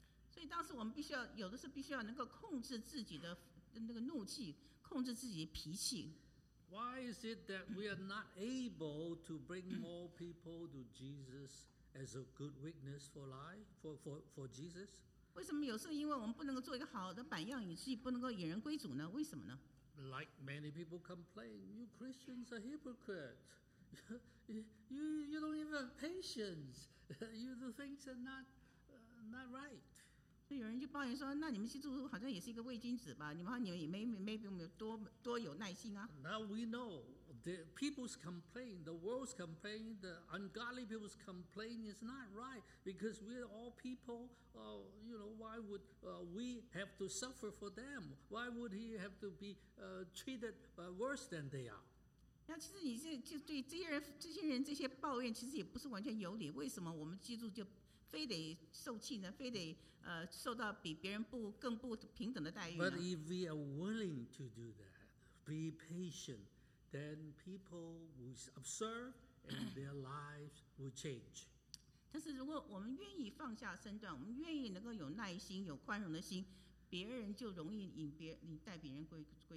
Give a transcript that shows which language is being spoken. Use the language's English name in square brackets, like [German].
[Chinese] 所以当时我们必须要有的是必须要能够控制自己的那个怒气，控制自己的脾气。 [English] Why is it that we are not able to bring more people to Jesus as a good witness for Jesus? [Chinese] 为什么有时候因为我们不能够做一个好的榜样，以至于不能够引人归主呢？为什么呢 [English] ？Like many people complain, you Christians are hypocrites. You don't even have patience. You do things that are not right. [Chinese] 所以有人就抱怨说，那你们基督徒好像也是一个伪君子吧？你们也没有多有耐心啊。 [English] Now we know the people's complaint, the world's complaint, the ungodly people's complaint is not right because we're all people. Why would we have to suffer for them? Why would he have to be treated worse than they are? [Chinese] 那其实你就对这些人这些抱怨，其实也不是完全有理。为什么我们基督就非得受气呢？非得受到比别人更不平等的待遇呢 [English] ？But if we are willing to do that, be patient, then people will observe and their lives will change. [Chinese] 但是如果我们愿意放下身段，我们愿意能够有耐心、有宽容的心，别人就容易带别人归主。